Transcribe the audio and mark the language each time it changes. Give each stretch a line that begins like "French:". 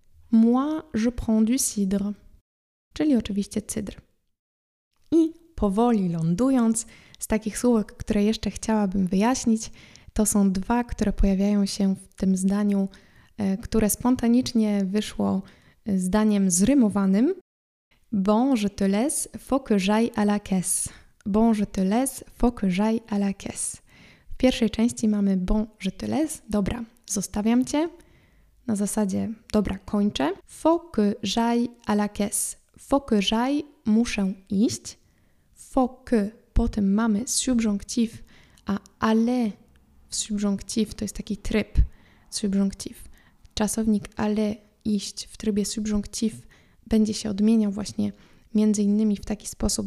French: Moi, je prends du cidre,
Polish: czyli oczywiście cydr. I powoli lądując, z takich słówek, które jeszcze chciałabym wyjaśnić, to są dwa, które pojawiają się w tym zdaniu, które spontanicznie wyszło zdaniem zrymowanym.
French: Bon, je te laisse, faut que j'aille à la caisse. Bon, je te laisse, faut que j'aille à la caisse.
Polish: W pierwszej części mamy
French: bon, je te laisse,
Polish: dobra, zostawiam cię. Na zasadzie, dobra, kończę.
French: Faut que j'aille à la caisse. Faut que j'aille,
Polish: muszę iść. Faut que, potem mamy subjonctif, a aller, subjonctif, to jest taki tryb, subjonctif. Czasownik aller, iść w trybie subjonctif będzie się odmieniał właśnie między innymi w taki sposób.